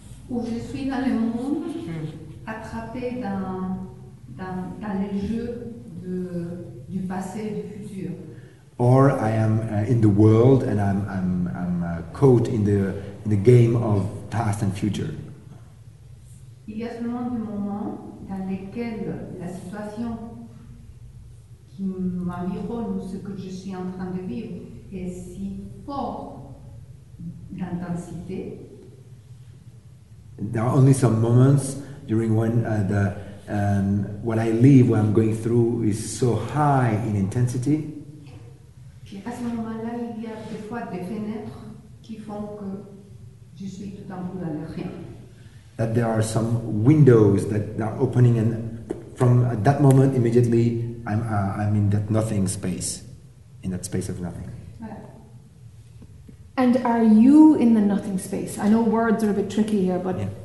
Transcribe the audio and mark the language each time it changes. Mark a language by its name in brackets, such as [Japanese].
[French] Ou je suis dans le monde, attrapé dans les jeux de. Du passé, du futur. [English] Or I am in the world and I'm caught in the game of past and future. [French] Il y a seulement des moments dans lesquels la situation qui m'environne ou ce que je suis en train de vivre est si fort d'intensité. [English] There are only some moments during when the what I live, what I'm going through is so high in intensity. [French] Et à ce moment-là, il y a des fois des fenêtres qui font que je suis tout en bout dans le rien. [English] That there are some windows that are opening, and from that moment immediately, I'm in that nothing space, in that space of nothing. And are you in the nothing space? I know words are a bit tricky here, but yeah.